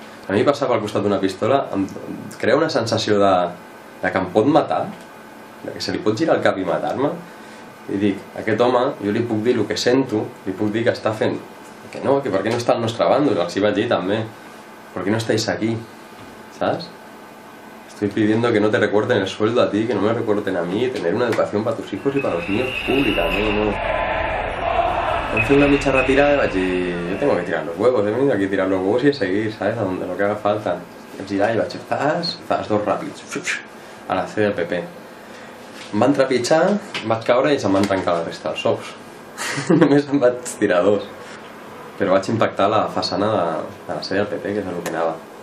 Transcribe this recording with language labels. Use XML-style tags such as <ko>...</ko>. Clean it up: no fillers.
<ca>A mi passar pel costat d'una pistola em crea una sensació de que em pot matar, de que se li pot girar el cap i matar-me. I dic, aquest home, jo li puc dir el que sento, li puc dir que està fent... Que no, que per què no està al nostre bàndol, els hi vaig dir també. Per què no estàs aquí, saps?</ca> <es>Estoy pidiendo que no te recorten el sueldo a ti, que no me recorten a mí, tener una educación para tus hijos y para los míos pública, no, no.</es> <ca>Vam fer una mitja retirada i vaig dir,</ca> <es>jo tengo que tirar los huevos, he venido aquí a tirar los huevos y a seguir, ¿sabes? A donde lo que haga falta.</es> <ca>Vam girar i vaig dir, zas, zas, dos ràpids, a la C del PP. Em van trepitjar, em vaig caure i se'm van trencar la resta dels ous. Només em vaig tirar dos. Però vaig impactar la façana de la C del PP, que és el que anava.</ca>